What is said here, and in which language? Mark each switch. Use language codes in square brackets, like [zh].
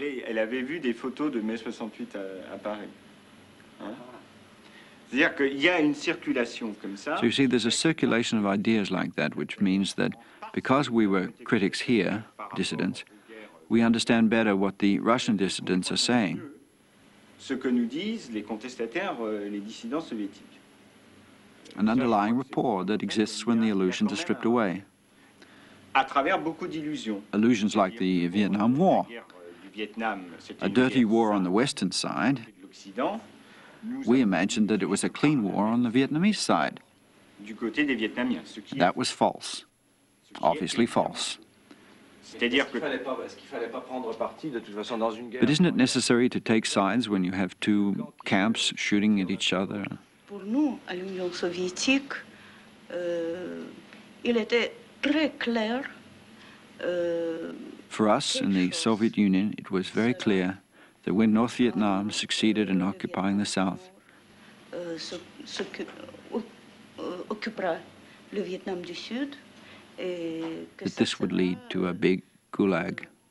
[fr] Elle avait vu des photos de May 68 à Paris. C'est-à-dire qu'il y a une circulation comme ça. [en] So you see, there's a circulation of ideas like that, which means that because we were critics here, dissidents, we understand better what the Russian dissidents are saying. [fr] Ce que nous disent les contestataires, les dissidents soviétiques. [en] An underlying rapport that exists when the illusions are stripped away. [fr] À travers beaucoup d'illusions. [en] Illusions like the Vietnam War. A dirty war on the Western side. We imagined that it was a clean war on the Vietnamese side. [fr] Du côté des Vietnamiens. [en] That was false. Obviously false. But isn't it necessary to take sides when you have two camps shooting at each other? [fr] Pour nous, à l'Union soviétique, il était très clair. [en] For us in the Soviet Union, it was very clear that when North Vietnam succeeded in occupying the South, that this would lead to a big gulag.